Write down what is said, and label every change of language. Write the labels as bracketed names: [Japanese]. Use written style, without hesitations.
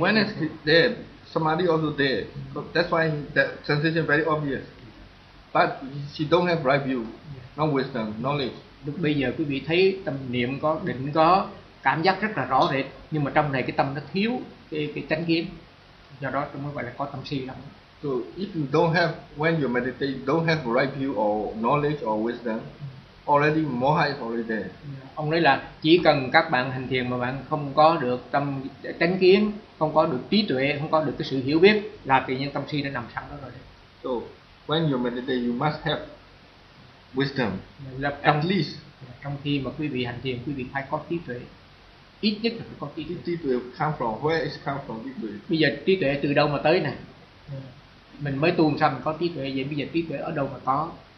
[English] Awareness is there. Samadhi also there. So that's why that sensation very obvious. But she don't have right view. No wisdom, knowledge. [Vietnamese] Lúc bây giờ quý vị thấy tâm niệm có, định có, cảm giác rất là rõ rệt. Nhưng mà trong này cái tâm nó thiếu cái chánh kiến. Do đó tôi mới gọi là có tâm si lắm. [English] So if you don't have, when you meditate, you don't have right view or knowledge or wisdom, already moha is already there. [Vietnamese] Ông nói là chỉ cần các bạn hành thiền mà bạn không có được tâm chánh kiến, không có được trí tuệ, không có được cái sự hiểu biết, là tự nhiên tâm si đã nằm sẵn đó rồi. [English] So when you meditate, you must have wisdom. At least, [Vietnamese] trong khi mà quý vị hành thiền, quý vị phải có trí tuệ. Ít nhất là phải có trí tuệ. Trí tuệ [English] come from where is come from trí tuệ? [Vietnamese] Bây giờ trí tuệ từ đâu mà tới này? Mình mới tu xong mình có trí tuệ vậy. Bây giờ trí tuệ ở đâu mà có?